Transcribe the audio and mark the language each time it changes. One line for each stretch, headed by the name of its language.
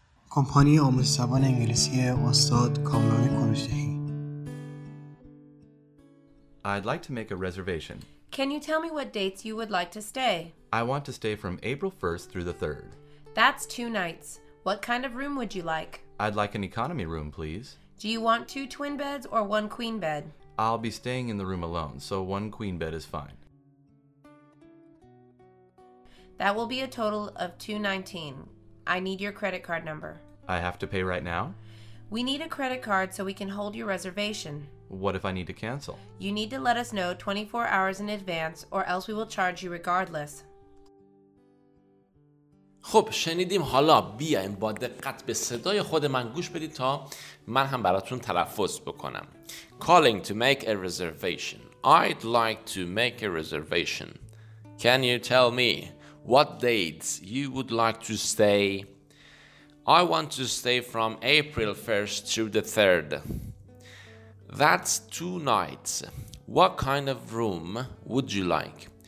Persian: کمپانی آموزش زبان انگلیسی استاد کامران کوروشی.
English: I'd like to make a reservation. Can you tell me what dates you would like to stay? I want to stay from April 1st through the 3rd. That's two nights. What kind of room would you like? I'd like an economy room, please. Do you want two twin beds or one queen bed? I'll be staying in the room alone, so one queen bed is fine. That will be a total of $219. I need your credit card number. I have to pay right now? We need a credit card so we can hold your reservation. What if I need to cancel? You need to let us know 24 hours in advance or else we will charge you regardless.
Persian: خب شنیدیم، حالا بیایم با دقت به صدای خود من گوش بدید تا من هم براتون تلفظ بکنم.
English: Calling to make a reservation. I'd like to make a reservation. Can you tell me what dates you would like to stay? I want to stay from April 1st through the 3rd. That's two nights. What kind of room would you like?